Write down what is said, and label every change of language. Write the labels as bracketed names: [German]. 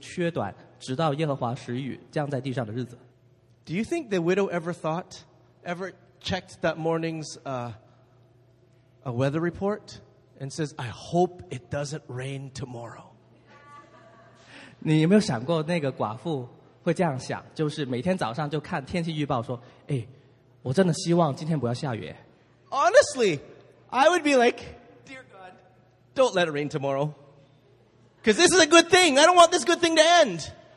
[Chinese] 所以列王记上17:14节，那也就是说，坛里的面必不减少，瓶里的油必不缺短，直到耶和华时雨降在地上的日子。 [English] Do you think the widow ever thought, ever checked that morning's a weather report and says, "I hope it doesn't rain tomorrow." [Chinese] 你有没有想过那个寡妇会这样想，就是每天早上就看天气预报说，哎，我真的希望今天不要下雨。 [English] Honestly, I would be like, "Dear God, don't let it rain tomorrow, because this is a good thing. I don't want this good thing to end."